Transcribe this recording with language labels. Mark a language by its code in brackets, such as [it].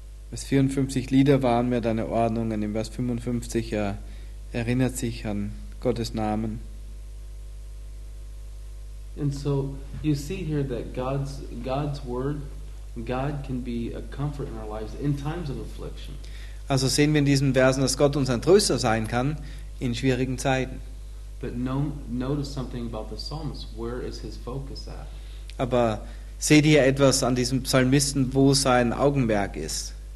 [de] Vers 54, Lieder waren mir deine Ordnungen. Im Vers 55, er erinnert sich an Gottes Namen. [en] And so, you see here that God's word, God can be a comfort in our lives in times of affliction. [de] Also sehen wir in diesen Versen, dass Gott uns ein Tröster sein kann in schwierigen Zeiten. [en] But notice something about the psalmist. Where is his focus at? [de] Aber seht ihr etwas an diesem Psalmisten, wo sein Augenmerk ist?